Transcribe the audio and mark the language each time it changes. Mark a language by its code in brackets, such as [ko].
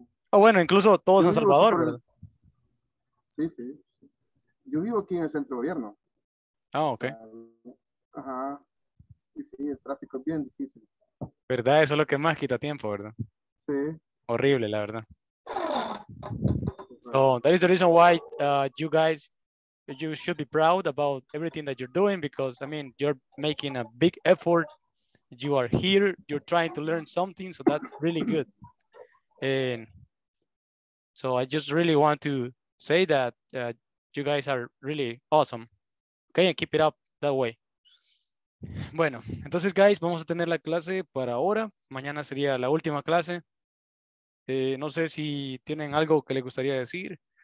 [es] O bueno, incluso todo yo San Salvador, ¿verdad? Sí, sí. Yo vivo aquí en el centro gobierno. Ah, ok. Ajá. Y sí, el tráfico es bien difícil. ¿Verdad? Eso es lo que más quita tiempo, ¿verdad? Sí. Horrible, la verdad. [en] So, that is the reason why you guys, you should be proud about everything that you're doing because, I mean, you're making a big effort. You are here. You're trying to learn something. So, that's really good. And so, I just really want to say that you guys are really awesome. Okay, and keep it up that way. [es] Bueno, entonces, guys, vamos a tener la clase para ahora. Mañana sería la última clase. No sé si tienen algo que les gustaría decir.